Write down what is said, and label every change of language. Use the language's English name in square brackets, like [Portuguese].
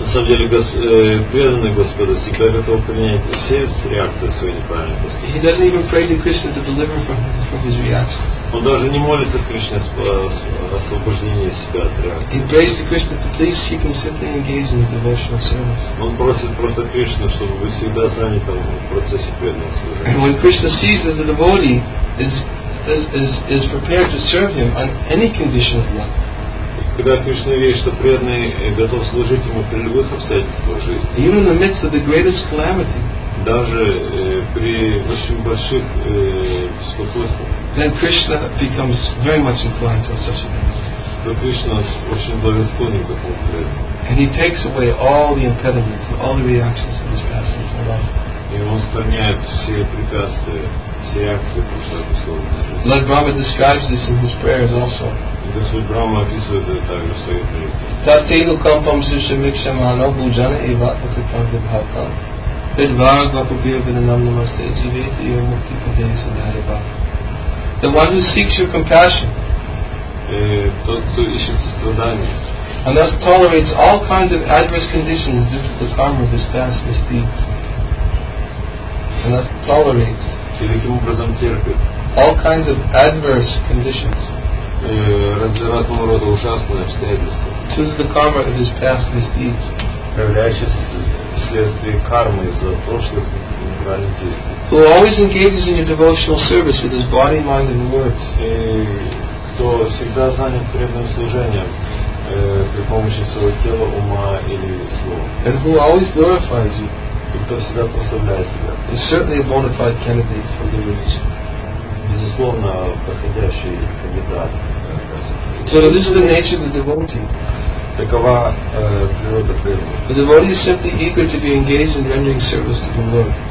[Russian] На самом деле, преданный Господа всегда готов принять все реакции своих неправильных поступков. [English] He doesn't even pray to Krishna to deliver from his reactions. [Russian] Он даже не молится Кришне освобождение себя от реакции. [English] He prays to Krishna to please keep him simply engaged in the devotional service. [Russian] Он просит просто Кришну, чтобы быть всегда занятым в процессе преданного служения. [English] And when Krishna sees that the devotee is prepared to serve him on any condition of love. [Russian] Когда Кришна видит, что преданный готов служить ему при любых обстоятельствах жизни. [English] Even in the midst of the greatest calamity. [Russian] Даже при очень больших беспокойствах. [English] Then Krishna becomes very much inclined towards such a devotee. [Russian] То Кришна очень благосклонен к такому преданному. [English] And he takes away all the impediments and all the reactions of his past life. [Russian] И он устраняет все препятствия, все реакции прошлой безусловной жизни. [English] Lord Brahma describes this in his prayers also. [Russian] Господь Брама описывает это также в своих молитвах. [Sanskrit] Татейну кампам сирша микша мано буджана и ватна крипам вибхакам. Пидвара гвапубир винанам намасте дживейте йо мукти падея садхари бхакам. [English] The one who seeks your compassion. [Russian] Тот, кто ищет страдания. [English] And thus tolerates all kinds of adverse conditions due to the karma of his past misdeeds. And thus tolerates. [Russian] И таким образом терпит. [English] All kinds of adverse conditions. [Russian] Разного рода ужасные обстоятельства. [English] To the karma of his past misdeeds. [Russian] Являющиеся следствие кармы из-за прошлых неправильных действий. [English] Who always engages in your devotional service with his body, mind, and words. [Russian] Кто всегда занят преданным служением при помощи своего тела, ума или слова. [English] And who always glorifies you. [Russian] И кто всегда прославляет тебя. [English] Is certainly a bona fide candidate for the religion. [Russian] Безусловно, подходящий кандидат. [English] So this is the nature of the devotee. [Russian] Такова природа преданного. [English] The devotee is simply eager to be engaged in rendering service to the Lord.